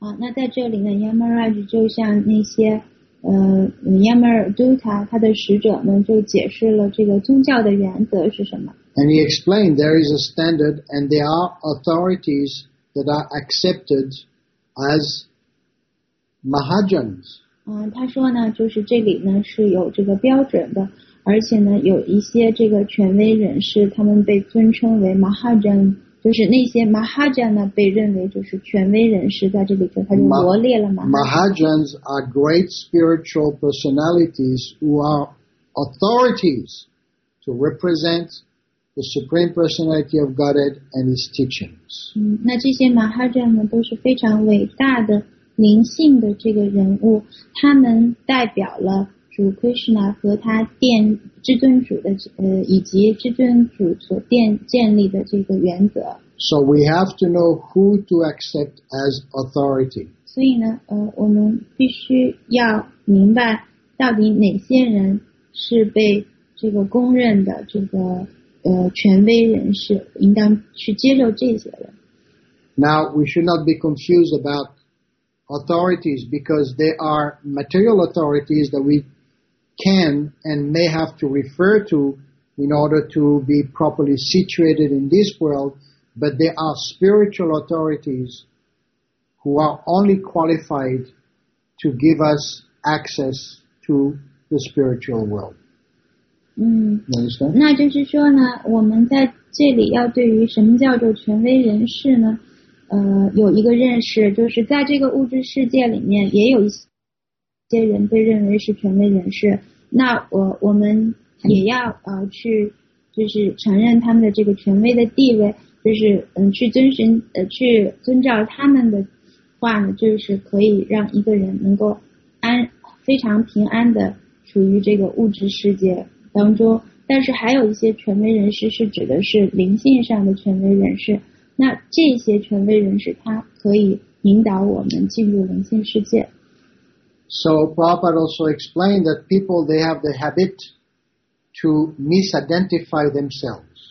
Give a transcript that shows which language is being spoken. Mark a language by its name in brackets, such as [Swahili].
[Chinese] 那在这里呢 Yamaraj 就像那些Yammer Dutta 他的使者们就解释了这个宗教的原则是什么。 [English] And he explained there is a standard and there are authorities that are accepted as Mahajans. [Chinese] 他说呢就是这里呢是有这个标准的而且呢有一些这个权威人士他们被尊称为 Mahajan, 就是那些 Mahajan 呢被认为就是权威人士在这里就他就罗列了 [English] Mahajans are great spiritual personalities who are authorities to represent the Supreme Personality of Godhead and his teachings. [Chinese] 那这些 Mahajan 呢都是非常伟大的灵性的这个人物他们代表了主 Krishna 和他殿至尊主的以及至尊主所建立的这个原则。 [English] So we have to know who to accept as authority. [Chinese] 所以呢，我们必须要明白到底哪些人是被这个公认的这个权威人士，应当去接受这些人。 [English] Now we should not be confused about authorities because they are material authorities that we can and may have to refer to in order to be properly situated in this world, but there are spiritual authorities who are only qualified to give us access to the spiritual world. [Chinese] 那就是说呢，我们在这里要对于什么叫做权威人士呢？有一个认识，就是在这个物质世界里面，也有一些人被认为是权威人士。那我们也要去就是承认他们的这个权威的地位就是去遵循去遵照他们的话呢就是可以让一个人能够非常平安的处于这个物质世界当中但是还有一些权威人士是指的是灵性上的权威人士那这些权威人士他可以引导我们进入灵性世界 [English] So Prabhupada also explained that people, they have the habit to misidentify themselves.